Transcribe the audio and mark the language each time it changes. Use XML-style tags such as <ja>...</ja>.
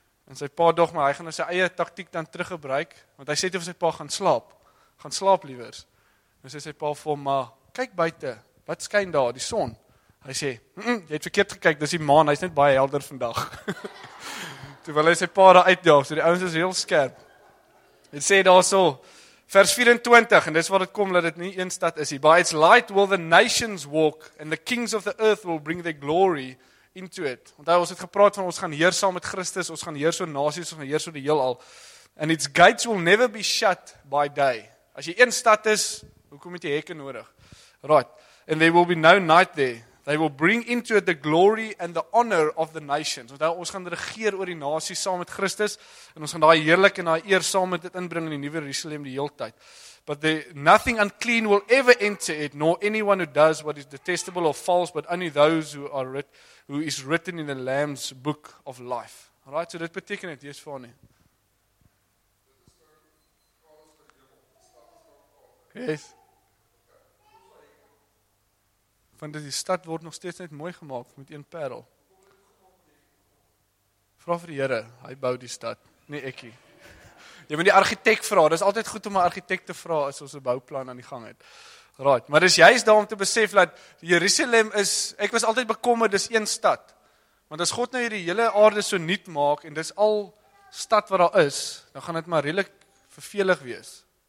<af>En sy pa dog, maar hy gaan sy eie taktiek dan teruggebruik, want hy sê toe vir sy pa, gaan slaap liewers. En sê sy pa vir hom, maar kyk buite, wat skyn daar, die son? Hy sê, jy het verkeerd gekyk, dis die maan, hy is net baie helder vandag. Toe wil hy sy pa daar uitdaag, so die ouens is heel skerp. Het sê daar so, Vers 24, en dis wat het kom, dat het nie een stad is.</af> <en>By its light will the nations walk, and the kings of the earth will bring their glory into it.</en> <af>Want hy, ons het gepraat van, ons gaan heers saam met Christus, ons gaan heers oor nasies, ons gaan heers oor die heelal.</af> <en>And its gates will never be shut by day.</en> <af>As jy een stad is, hoekom het jy hekke nodig?</af> <en>Right, and there will be no night there. They will bring into it the glory and the honor of the nations.</en> <af>Want ons gaan regeer oor die nasie saam met Christus, en ons gaan daai heerlik en daai eer saam met dit inbring in die nuwe Jerusalem die heeltyd.</af> <en>But the nothing unclean will ever enter it, nor anyone who does what is detestable or false, but only those who is written in the Lamb's book of life.</en> <af>Right, so dit beteken dit, Jesus van nie.</af> <en>Yes.</en> <af>Want die stad word nog steeds net mooi gemaakt met een parel. Vraag vir die Here, hy bou die stad, nie ekkie. Jy moet die architect vraag, dit is altyd goed om 'n architect te vraag as ons 'n bouplan aan die gang het. Right, maar dis juist daar om te besef dat Jerusalem is, ek was altyd bekommerd, dis een stad. Want as God nou hierdie hele aarde so nuut maak, en dis al stad wat daar is, dan gaan dit maar redelijk vervelig wees.</af>